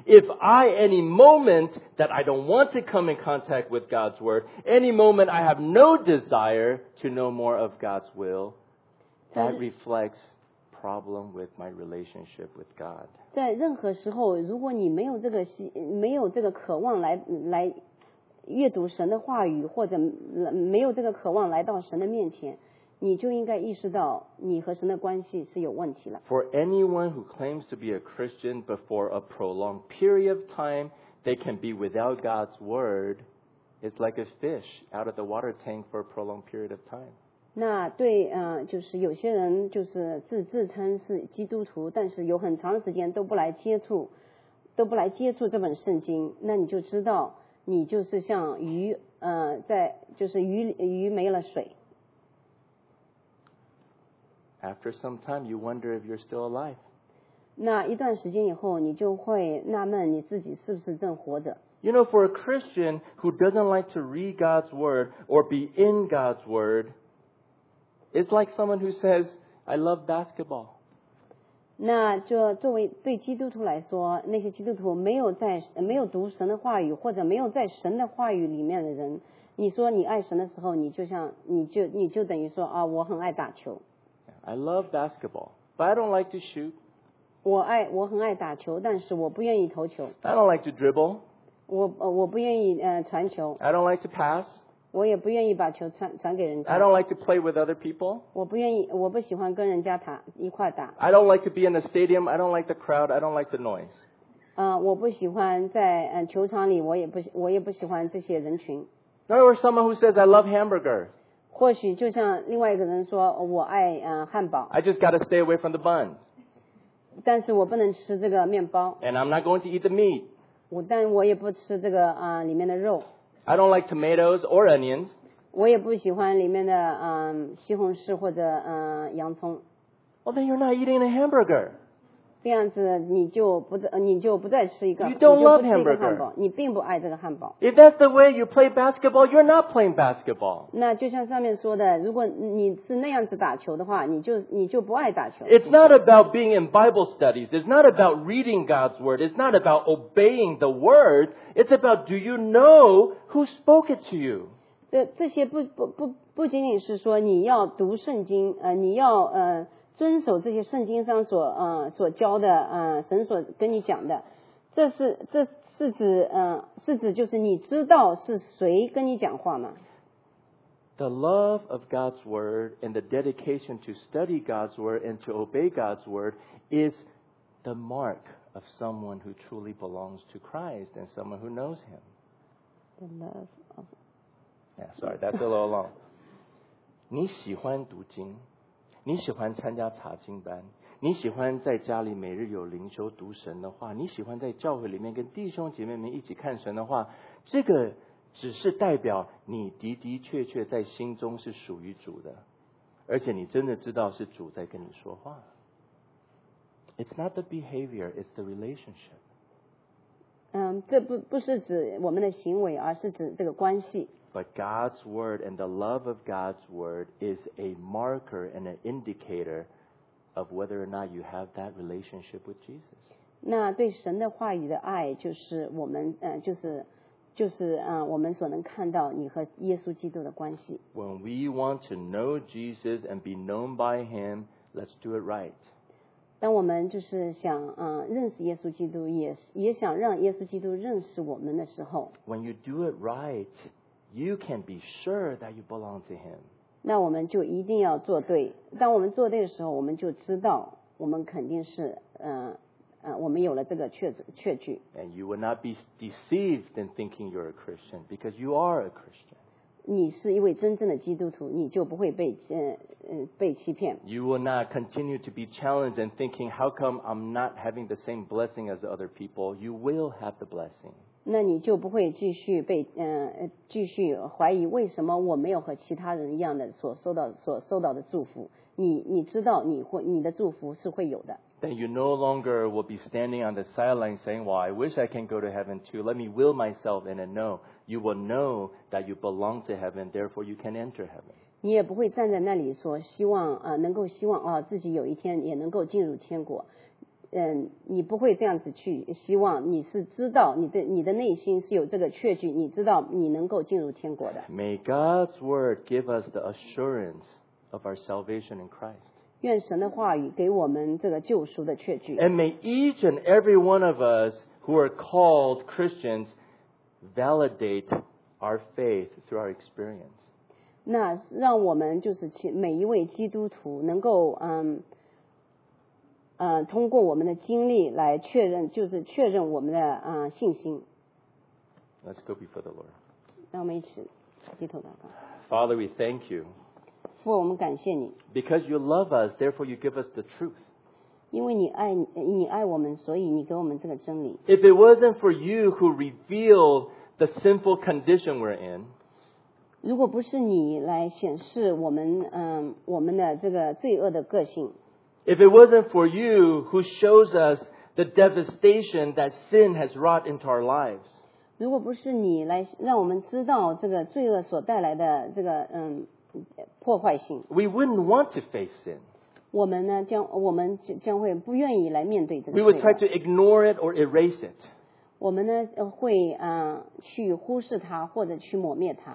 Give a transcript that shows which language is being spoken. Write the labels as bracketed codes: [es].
[en] If I any moment that I don't want to come in contact with God's word, any moment I have no desire to know more of God's will, that reflects problem with my relationship with God. [zh] 在任何时候，如果你没有这个渴望来阅读神的话语，或者没有这个渴望来到神的面前，你就应该意识到你和神的关系是有问题了。 [en] For anyone who claims to be a Christian before a prolonged period of time, they can be without God's word. It's like a fish out of the water tank for a prolonged period of time. [zh] 那对就是有些人就是自称是基督徒，但是有很长时间都不来接触这本圣经，那你就知道你就是像鱼在就是鱼没了水。 [en] After some time, you wonder if you're still alive. [zh] 那一段时间以后，你就会纳闷你自己是不是正活着。 [en] You know, for a Christian who doesn't like to read God's word or be in God's word, it's like someone who says, I love basketball. [zh] 那就作为对基督徒来说，那些基督徒没有读神的话语，或者没有在神的话语里面的人，你说你爱神的时候，你就等于说啊，我很爱打球。 [en] I love basketball, but I don't like to shoot. [zh] 我很爱打球，但是我不愿意投球。 [en] I don't like to dribble. [zh] 我不愿意传球。 [en] I don't like to pass. [zh] 我也不愿意把球传给人家。 [en] I don't like to play with other people. [zh] 我不喜欢跟人家打一块打。 [en] I don't like to be in the stadium. I don't like the crowd. I don't like the noise. [zh] 我不喜欢在球场里，我也不喜欢这些人群。 [en] Or someone who says I love hamburger. [zh] 或许就像另外一个人说，我爱汉堡。 [en] I just got to stay away from the buns. [zh] 但是我不能吃这个面包。 [en] And I'm not going to eat the meat. [zh] 但我也不吃这个里面的肉。 [en] I don't like tomatoes or onions. [zh] 我也不喜欢里面的西红柿或者洋葱。 [en] Well, then you're not eating a hamburger. [zh] 这样子你就不再吃一个。 [en] You don't love hamburger. [zh] 你并不爱这个汉堡。 [en] If that's the way you play basketball, you're not playing basketball. [zh] 那就像上面说的，如果你是那样子打球的话，你就不爱打球。 [en] It's not about being in Bible studies. It's not about reading God's word. It's not about obeying the word. It's about do you know who spoke it to you? [zh] 这些不仅仅是说你要读圣经，你要遵守这些圣经上所教的，神所跟你讲的，这是指就是你知道是谁跟你讲话吗？ [en] The love of God's word and the dedication to study God's word and to obey God's word is the mark of someone who truly belongs to Christ and someone who knows Him. The love of. Yeah, sorry, that's a little long. [zh] 你喜欢读经。你喜欢参加查经班，你喜欢在家里每日有灵修读神的话，你喜欢在教会里面跟弟兄姐妹们一起看神的话，这个只是代表你的的确确在心中是属于主的，而且你真的知道是主在跟你说话。 [en] It's not the behavior, it's the relationship. [zh] 这不是指我们的行为，而是指这个关系。 [en] But God's word and the love of God's word is a marker and an indicator of whether or not you have that relationship with Jesus. [zh] 那对神的话语的爱就是我们就是就是我们所能看到你和耶稣基督的关系。 [en] When we want to know Jesus and be known by Him, let's do it right. [zh] 当我们就是想认识耶稣基督，也想让耶稣基督认识我们的时候。 [en] When you do it right, you can be sure that you belong to Him. [zh] 那我们就一定要做对。当我们做对的时候，我们就知道我们肯定是我们有了这个确据。 [en] And you will not be deceived in thinking you're a Christian because you are a Christian. [zh] 你是一位真正的基督徒，你就不会被欺骗。 [en] You will not continue to be challenged in thinking how come I'm not having the same blessing as the other people. You will have the blessing. [zh] 那你就不会继续被继续怀疑为什么我没有和其他人一样的所受到的祝福。你知道你的祝福是会有的。 [en] Then you no longer will be standing on the sideline saying, well, I wish I can go to heaven too. Let me will myself in and know. You will know that you belong to heaven, therefore you can enter heaven. [zh] 你也不会站在那里说希望能够希望自己有一天也能够进入天国。你不会这样子去希望，你是知道你的内心是有这个确据，你知道你能够进入天国的。 [en] May God's word give us the assurance of our salvation in Christ. [zh] 愿神的话语给我们这个救赎的确据。 [en] And may each and every one of us who are called Christians validate our faith through our experience. [zh] 那让我们就是每一位基督徒能够通过我们的经历来确认，就是确认我们的信心。 [en] Let's go before the Lord. [zh] 让我们一起低头祷告。 [en] Father, we thank you. [zh] 父，我们感谢你。 [en] Because you love us, therefore you give us the truth. [zh] 因为你爱我们，所以你给我们这个真理。 [en] If it wasn't for you who revealed the sinful condition we're in, [zh] 如果不是你来显示我们我们的这个罪恶的个性。 [en] If it wasn't for you who shows us the devastation that sin has wrought into our lives. [zh] 如果不是你来让我们知道这个罪恶所带来的这个破坏性。 [en] We wouldn't want to face sin. [zh] 我们将会不愿意来面对这个罪恶。 [en] We would try to ignore it or erase it. [zh] 我们呢会去忽视它或者去抹灭它。